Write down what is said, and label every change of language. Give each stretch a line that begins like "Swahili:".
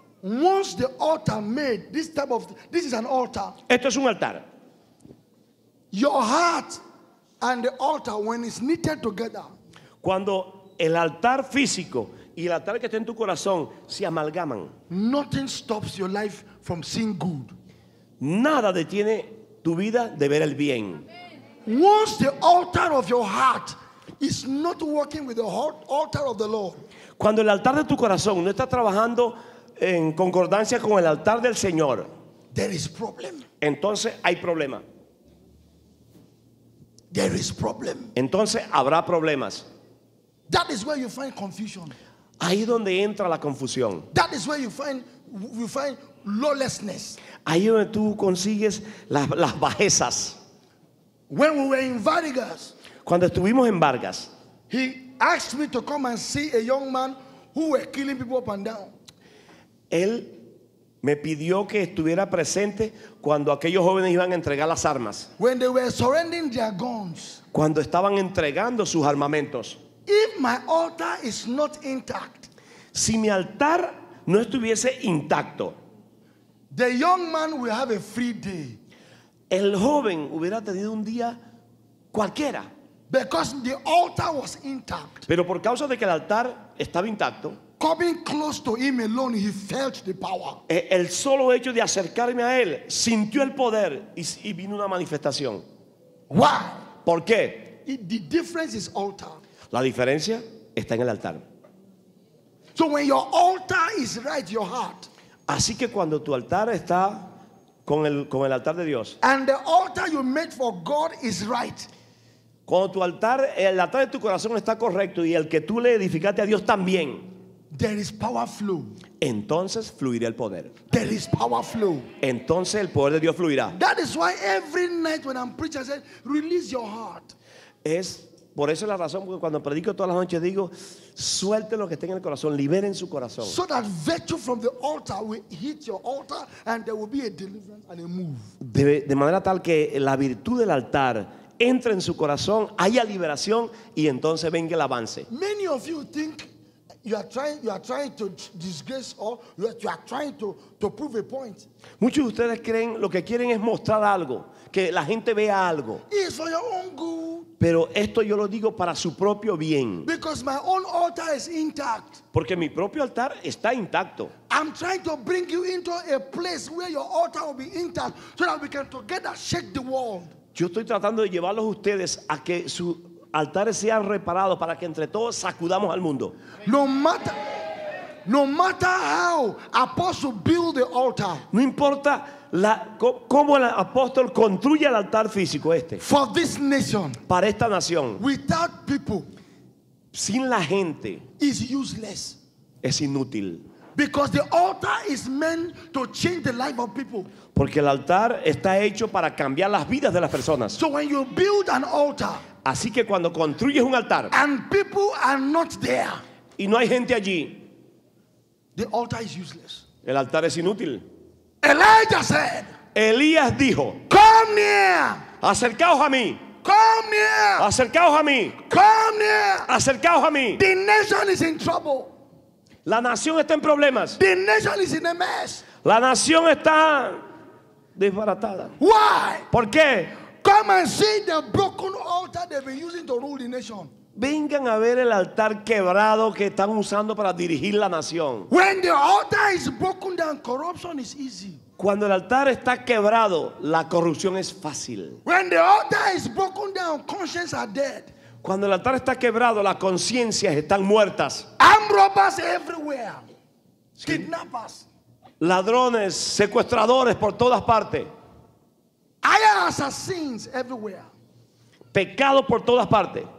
English: Once the altar made this type of this is an altar.
Spanish: Esto es un altar.
English: Your heart and the altar when it's knitted together.
Spanish: Cuando el altar físico y el altar que está en tu corazón se amalgaman.
English: Nothing stops your life from seeing good.
Spanish: Nada detiene tu vida de ver el bien.
English: Once the altar of your heart is not working with the altar of the Lord.
Spanish: Cuando el altar de tu corazón no está trabajando en concordancia con el altar del Señor,
English: there is problem.
Spanish: Entonces hay problema.
English: There is problem.
Spanish: Entonces habrá problemas.
English: That is where you find confusion.
Spanish: Ahí donde entra la confusión.
English: That is where you find lawlessness.
Spanish: Ahí donde tú consigues las bajezas.
English: When we were in Vargas,
Spanish: cuando estuvimos en Vargas,
English: he asked me to come and see a young man who were killing people up and down.
Spanish: Él me pidió que estuviera presente cuando aquellos jóvenes iban a entregar las armas.
English: When they were surrendering their guns,
Spanish: cuando estaban entregando sus armamentos.
English: If my altar is not intact,
Spanish: si mi altar no estuviese intacto,
English: the young man will have a free day.
Spanish: El joven hubiera tenido un día cualquiera.
English: Because the altar was intact.
Spanish: Pero por causa de que el altar estaba intacto.
English: Coming close to him alone, he felt the power.
Spanish: El solo hecho de acercarme a él sintió el poder y vino una manifestación.
English: Why?
Spanish: ¿Por qué?
English: The difference is altar.
Spanish: La diferencia está en el altar.
English: So when your altar is right, your heart.
Spanish: Así que cuando tu altar está con el altar de Dios.
English: And the altar you made for God is right.
Spanish: Cuando tu altar, el altar de tu corazón está correcto y el que tú le edificaste a Dios también.
English: There is power flow.
Spanish: Entonces fluirá el poder.
English: There is power flow.
Spanish: Entonces el poder de Dios fluirá.
English: That is why every night when I'm preaching I say release your heart.
Spanish: Es por eso es la razón porque cuando predico todas las noches digo, suelte lo que esté en el corazón, liberen su corazón.
English: So that virtue from the altar will hit your altar and there will be a deliverance and a move.
Spanish: De manera tal que la virtud del altar entre en su corazón, haya liberación y entonces venga el avance.
English: Many of you think you are trying to disgrace or you are trying to prove a point.
Spanish: Muchos de ustedes creen lo que quieren es mostrar algo, que la gente vea algo.
English: It's for your own good.
Spanish: Pero esto yo lo digo para su propio bien.
English: Because my own altar is intact.
Spanish: Porque mi propio altar está intacto.
English: I'm trying to bring you into a place where your altar will be intact so that we can together shake the world.
Spanish: Yo estoy tratando de llevarlos a ustedes a que sus altares sean reparados para que entre todos sacudamos al mundo.
English: No matter how apostle build the altar.
Spanish: No importa cómo el apóstol construye el altar físico este.
English: For this nation.
Spanish: Para esta nación.
English: Without people.
Spanish: Sin la gente.
English: Is useless.
Spanish: Es inútil.
English: Because the altar is meant to change the life of people.
Spanish: Porque el altar está hecho para cambiar las vidas de las personas.
English: So when you build an altar,
Spanish: así que cuando construyes un altar,
English: and people are not there,
Spanish: y no hay gente allí,
English: the altar is useless.
Spanish: El altar es inútil.
English: Elijah said,
Spanish: Elías dijo,
English: come near.
Spanish: Acercaos a mí.
English: Come near.
Spanish: Acercaos a mí.
English: Come near.
Spanish: Acercaos a mí.
English: The nation is in trouble.
Spanish: La nación está en problemas.
English: The nation is in a mess.
Spanish: La nación está desbaratada.
English: Why?
Spanish: ¿Por qué?
English: Come and see the broken altar they've been using to rule the nation.
Spanish: Vengan a ver el altar quebrado que están usando para dirigir la nación.
English: When the altar is broken down, corruption is easy.
Spanish: Cuando el altar está quebrado, la corrupción es fácil.
English: When the altar is broken down, conscience are dead.
Spanish: Cuando el altar está quebrado, las conciencias están muertas.
English: Armed robbers everywhere. Sí. Kidnappers.
Spanish: Ladrones, secuestradores por todas partes.
English: Hired assassins everywhere.
Spanish: Pecado por todas partes.